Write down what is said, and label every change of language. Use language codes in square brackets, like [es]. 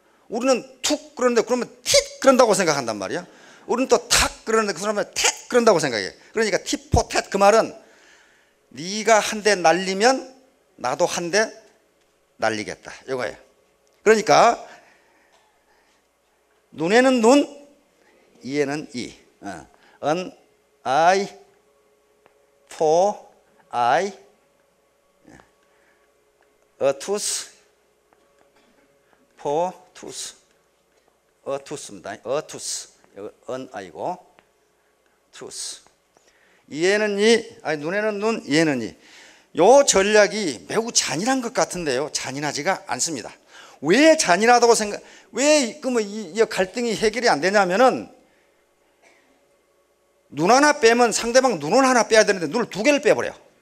[ko] 우리는 툭 그러는데 그러면 팁 그런다고 생각한단 말이야. 우리는 또 탁 그러는데 그 사람은 탭 그런다고 생각해. 그러니까 티포텟 그 말은 네가 한 대 날리면 나도 한 대 날리겠다 이거예요. 그러니까 눈에는 눈, 이에는 이. [en] An eye for eye, a tooth for tooth. A tooth입니다. A tooth. An eye고 tooth. [ko] 이에는 이, 아니 눈에는 눈, 이에는 이. 요 전략이 매우 잔인한 것 같은데요. 잔인하지가 않습니다. 왜 잔인하다고 생각, 왜, 그러면 이 갈등이 해결이 안 되냐면은, 눈 하나 빼면 상대방 눈을 하나 빼야 되는데, 눈을 두 개를 빼버려요.